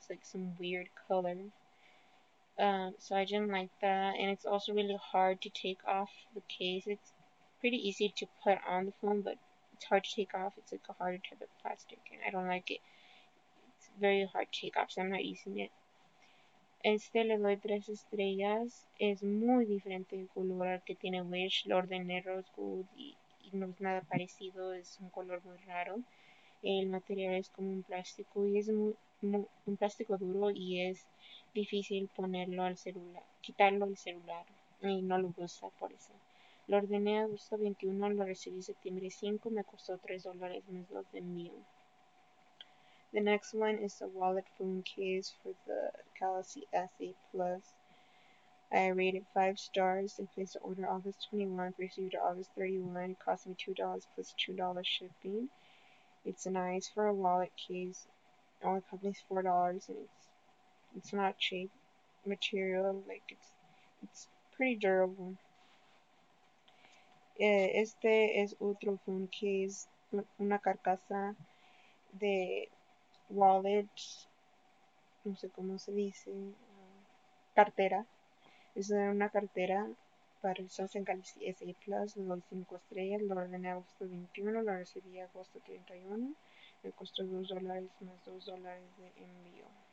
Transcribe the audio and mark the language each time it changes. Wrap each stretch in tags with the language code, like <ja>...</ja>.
<en>It's like some weird color. So I didn't like that. And it's also really hard to take off the case. It's pretty easy to put on the phone, but it's hard to take off. It's like a harder type of plastic, and I don't like it. Very hard takeoff, so I'm not using it.</en> <es>Este le doy 3 estrellas. Es muy diferente el color al que tiene Wish. Lo ordené Rose Gold y no es nada parecido. Es un color muy raro. El material es como un plástico y es muy un plástico duro y es difícil ponerlo al celular, quitarlo al celular y no lo usa por eso. Lo ordené agosto 21, lo recibí septiembre 5. Me costó $3 más 2 de envío.</es> <en>The next one is the wallet phone case for the Galaxy S8 Plus. I rated 5 stars and placed the order August 21, received August 31. It cost me $2 plus $2 shipping. It's nice for a wallet case. It only cost me $4 and it's not cheap material. Like it's pretty durable.</en> <es>Este es otro phone case, una carcasa de wallet, no sé cómo se dice, cartera. Es una cartera para usarse en Galaxy S Plus, lo doy 5 estrellas, lo ordené agosto 21, lo recibí agosto 31, me costó $2 más $2 de envío.</es>